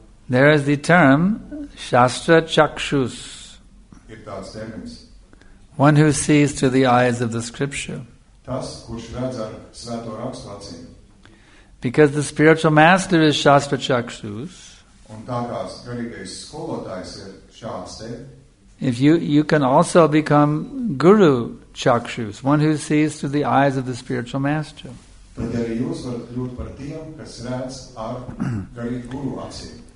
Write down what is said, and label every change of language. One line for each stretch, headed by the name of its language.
English: There is the term Shastra Chakshus. One who sees through the eyes of the scripture.
Latvian: Tas, kurš redz ar svēto rakstu acīm.
English: Because the spiritual master is Shastra Chakshus.
Latvian: Un tā kā garīgais skolotājs ir šāds te.
English: If you can also become Guru Chakshus, one who sees through the eyes of the spiritual master.
Latvian: Tad arī jūs varat kļūt par tiem, kas redz ar garīgu guru acīm.